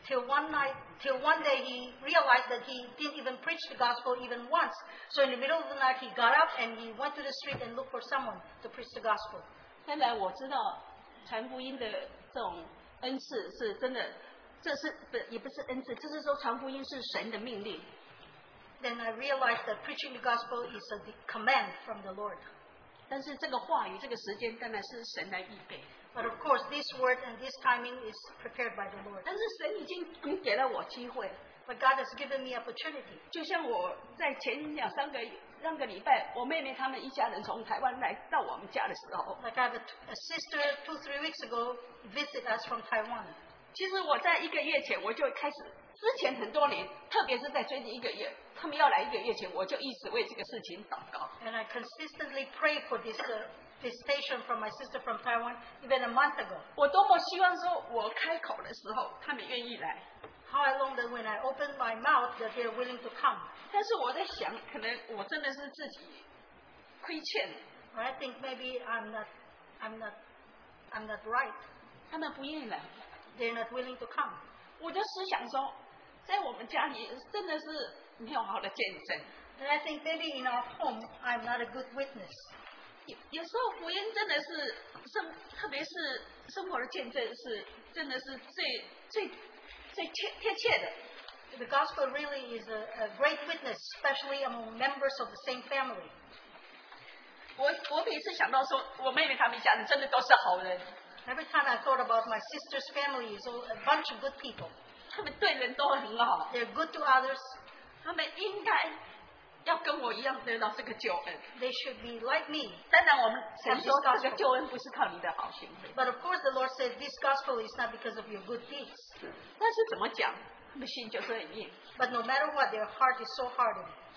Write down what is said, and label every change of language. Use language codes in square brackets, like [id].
[en] Till one day he realized that he didn't even preach the gospel even once. So in the middle of the night he got up and he went to the street and looked for someone to preach the gospel. [zh] 后来我知道传福音的这种恩赐是真的，这是不也不是恩赐，就是说传福音是神的命令。 [en] Then I realized that preaching the gospel is a command from the Lord. [zh] 但是这个话语、这个时间当然是神来预备。 [en] But of course, this word and this timing is prepared by the Lord. [zh] 但是神已经给了我机会。 [en] But God has given me opportunity. [zh] 就像我在前两三个两个礼拜，我妹妹他们一家人从台湾来到我们家的时候。 [en] Like I have a sister 2-3 weeks ago visit us from Taiwan. [zh] 其实我在一个月前我就开始之前很多年，特别是在最近一个月，他们要来一个月前，我就一直为这个事情祷告。 [en] And I consistently pray for this visitation from my sister from Taiwan even a month ago. [zh] 我多么希望说我开口的时候，他们愿意来。 [en] How I long that when I open my mouth that they are willing to come. [zh] 但是我在想，可能我真的是自己亏欠。 [en] I think maybe I'm not right. [zh] 他们不愿意来。 [en] They're not willing to come. [zh] 我就思想说，在我们家里真的是没有好的见证。 [en] And I think maybe in our home I'm not a good witness. [zh] 有时候福音真的是生，特别是生活的见证是真的是最贴切的。 [en] The gospel really is a great witness, especially among members of the same family. [zh] 我每次想到说，我妹妹他们家人真的都是好人。 [en] Every time I thought about my sister's family, it's a bunch of good people. [zh] 他们对人都很好。 [en] They're good to others. [zh] 他们应该要跟我一样得到这个救恩。 [en] They should be like me. [zh] 当然我们神说这个救恩不是靠你的好行为。 [en] But of course the Lord said this gospel is not because of your good deeds. [zh] 但是怎么讲，他们心就是很硬。 [en] But no matter what, their heart is so hardened.